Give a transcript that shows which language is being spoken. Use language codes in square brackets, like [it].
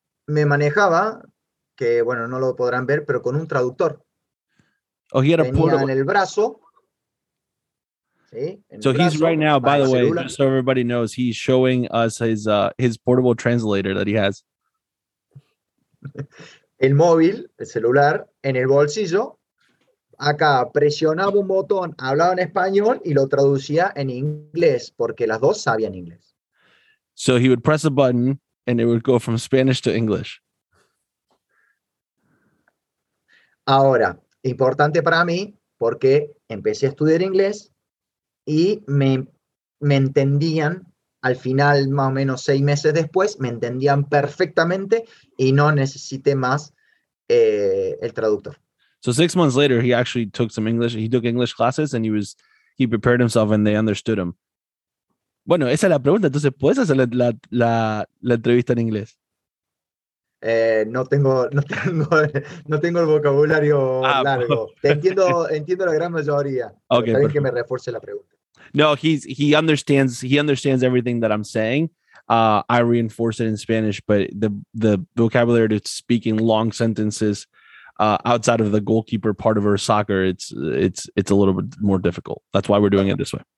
[es] me manejaba, que bueno, no lo podrán ver, pero con un traductor. [en] Oh, he had a portable. [es] En el brazo. [en] So he's right now, by the way, just so everybody knows, he's showing us his portable translator that he has. [es] El móvil, el celular, en el bolsillo. Acá presionaba un botón, hablaba en español y lo traducía en inglés, porque las dos sabían inglés. [en] So he would press a button and it would go from Spanish to English. [es] Ahora, importante para mí, porque empecé a estudiar inglés y me entendían al final, más o menos 6 meses después, me entendían perfectamente y no necesité más el traductor. [en] So 6 months later, he actually took some English. He took English classes and he prepared himself and they understood him. [es] Bueno, esa es la pregunta. Entonces, ¿puedes hacer la entrevista en inglés? No tengo el vocabulario largo. Entiendo la gran mayoría. [en] Okay, [es] también que me refuerce la pregunta. [en] No, he understands everything that I'm saying. I reinforce it in Spanish, but the vocabulary to speak in long sentences outside of the goalkeeper part of our soccer, it's a little bit more difficult. That's why we're doing it this way.